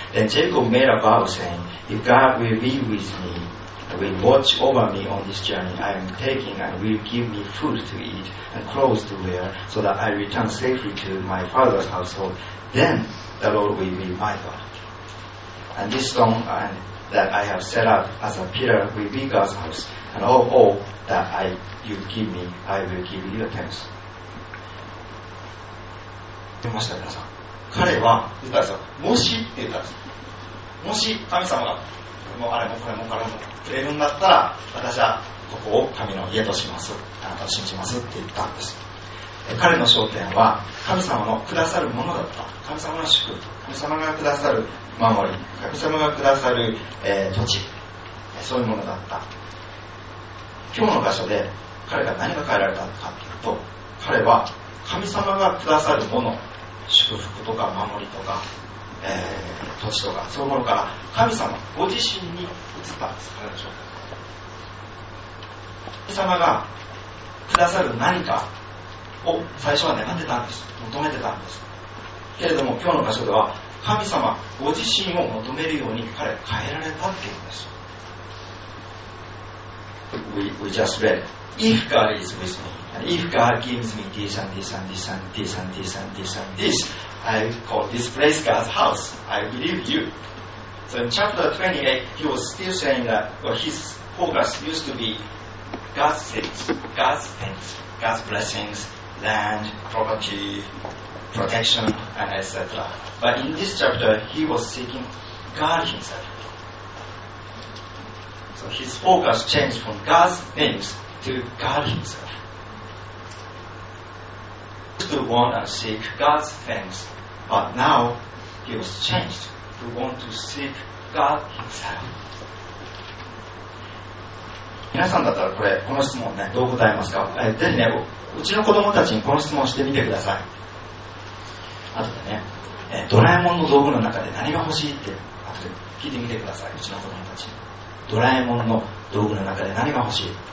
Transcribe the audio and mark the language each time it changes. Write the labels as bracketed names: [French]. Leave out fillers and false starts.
[English] Then Jacob made a vow saying, If God will be with me, will watch over me on this journey I am taking, and will give me food to eat and clothes to wear, so that I return safely to my father's household, then the Lord will be my God. And this stone that I have set up as a pillar will be God's house, and all that you give me, I will give you your tenth. [Japanese] 出ました皆さん。彼は言ったんですよ。もしって言ったんですよ。もし神様がこれもあれもこれもこれもくれるんだったら、私はここを神の家とします。あなたを信じますって言ったんです。彼の焦点は神様のくださるものだった。神様の祝福、神様がくださる守り、神様がくださる、土地、そういうものだった。今日の場所で彼が何が変えられたのかというと、彼は神様がくださるもの、祝福とか守りとか、土地とかそういうものから神様ご自身に移ったんです。彼の状態、神様がくださる何かを最初は願ってたんです、求めてたんです。けれども今日の箇所では神様ご自身を求めるように彼は変えられたっていうんです。 [English] We just read If God is with meIf God gives me this and this and this and this and this and this and this, I call this place God's house. I believe you. So in chapter 28, he was still saying that, well, his focus used to be God's things, God's things, God's blessings, land, property, protection, and etc. But in this chapter, he was seeking God himself. So his focus changed from God's things to God himself. To want and seek God's things, but now he was changed to want to seek God himself. [Japanese] 皆さんだったらこれこの質問ねどう答えますか。ぜひねうちの子供たちにこの質問してみてください。あとでね、ドラえもんの道具の中で何が欲しいってあとで聞いてみてください。うちの子供たちドラえもんの道具の中で何が欲しい。